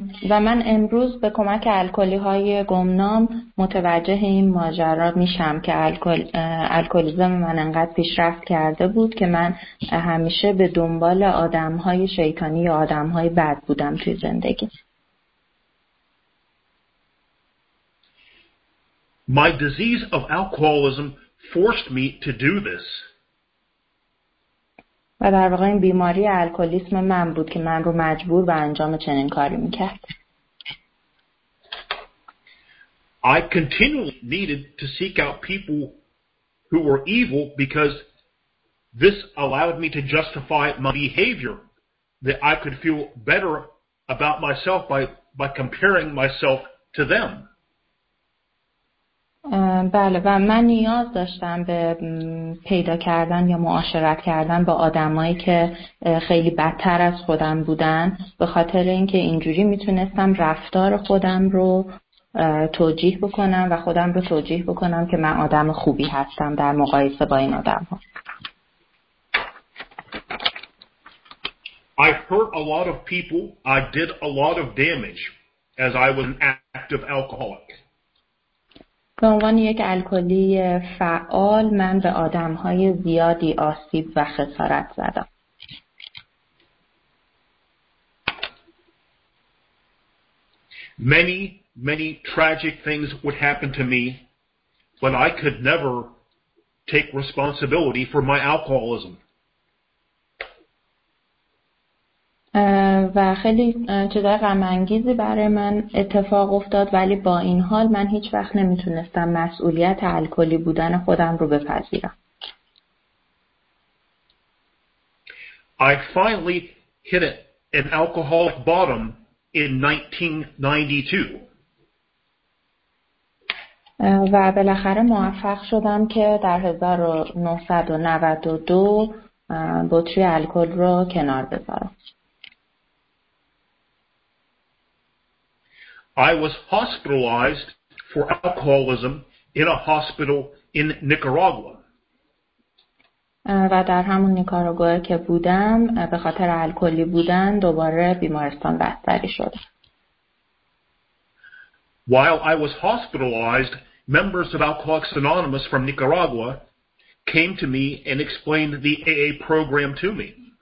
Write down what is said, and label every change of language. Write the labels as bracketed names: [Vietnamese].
[Persian] و من امروز به کمک الکلی‌های گمنام متوجه این ماجرا میشم که الکلیزم من انقدر پیشرفت کرده بود که من همیشه به دنبال آدم‌های شیطانی یا آدم‌های بد بودم توی زندگی. [English] My disease of alcoholism forced me to do this. [Persian] و در واقع این بیماری الکلیسم من بود که من رو مجبور به انجام چنین کاری میکرد. [English] I continually needed to seek out people who were evil because this allowed me to justify my behavior that I could feel better about myself by comparing myself to them. [Persian] بله و من نیاز داشتم به پیدا کردن یا معاشرت کردن با آدمایی که خیلی بدتر از خودم بودن به خاطر اینکه اینجوری میتونستم رفتار خودم رو توجیه بکنم و خودم رو توجیه بکنم که من آدم خوبی هستم در مقایسه با این آدم ها. [English] I hurt a lot of people. I did a lot of damage as I was an active alcoholic. [Persian] به عنوان یک الکلی فعال من به آدم‌های زیادی آسیب و خسارت زدم. [English] Many many tragic things would happen to me when I could never take responsibility for my alcoholism. [Persian] و خیلی چیزای غم انگیزی برای من اتفاق افتاد ولی با این حال من هیچ وقت نمیتونستم مسئولیت الکلی بودن خودم رو بپذیرم. [English] I finally hit an alcoholic bottom in 1992. [Persian] و بالاخره موفق شدم که در 1992 بطری الکل رو کنار بذارم. [English] I was hospitalized for alcoholism in a hospital in Nicaragua. [Persian] و در همون نیکاراگوئه که بودم به خاطر الکلی بودن دوباره بیمارستان بستری شدم. [English] While I was hospitalized, members of Alcoholics Anonymous from Nicaragua came to me and explained the AA program to me.